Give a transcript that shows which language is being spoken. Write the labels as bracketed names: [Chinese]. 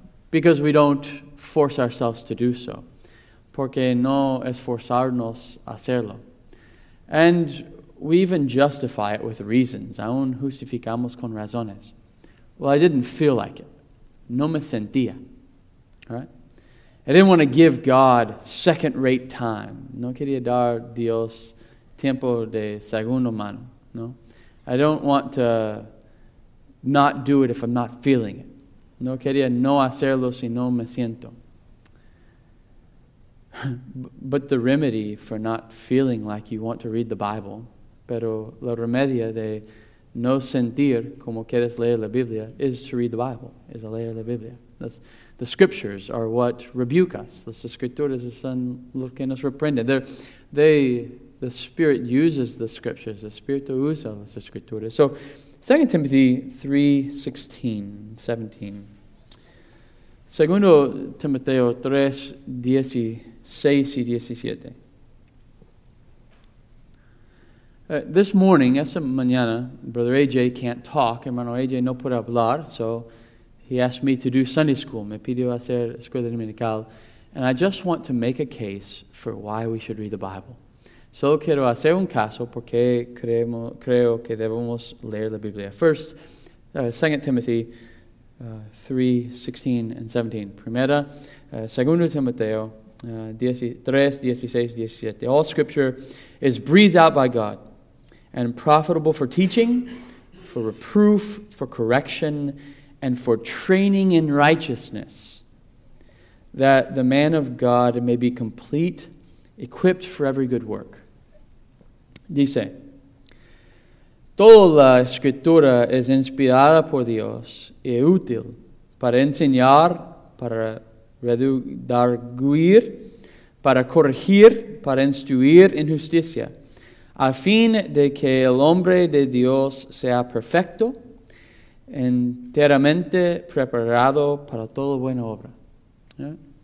[English] Because we don't force ourselves to do so. [Spanish] Porque no esforzarnos a hacerlo. [English] And we even justify it with reasons. [Spanish] Aún justificamos con razones. [English] Well, I didn't feel like it. [Spanish] No me sentía. [English] All right? I didn't want to give God second-rate time. [Spanish] No quería dar Dios tiempo de segundo mano. No. [English] I don't want to not do it if I'm not feeling it. [Spanish] No quería no hacerlo si no me siento. [English] But the remedy for not feeling like you want to read the Bible, [Spanish] pero la remedia de no sentir como quieres leer la Biblia, [English] is to read the Bible, is [Spanish] a leer la Biblia. [English] The scriptures are what rebuke us. [Spanish] Las escrituras son lo que nos reprenden. [English] The Spirit uses the scriptures. [Spanish] The Espíritu usa las escrituras. [English] So, 2 Timothy 3:16-17. [Spanish] Segundo Timoteo 3:16-17. [English] This morning, [Spanish] esta mañana, [English] Brother AJ can't talk. [Spanish] Hermano AJ no puede hablar, [English] so he asked me to do Sunday school. [Spanish] Me pidió hacer escuela dominical. [English] And I just want to make a case for why we should read the Bible. [Spanish] Solo quiero hacer un caso porque creo que debemos leer la Biblia. [English] First, 2 Timothy 3:16-17. [Spanish] Primera, 2 Timoteo 3:16-17. [English] All scripture is breathed out by God and profitable for teaching, for reproof, for correction, and for training in righteousness, that the man of God may be complete, equipped for every good work. [Spanish] Dice, toda la escritura es inspirada por Dios y útil para enseñar, para redarguir, para corregir, para instruir en justicia, a fin de que el hombre de Dios sea perfecto, enteramente preparado para toda buena obra. Yeah.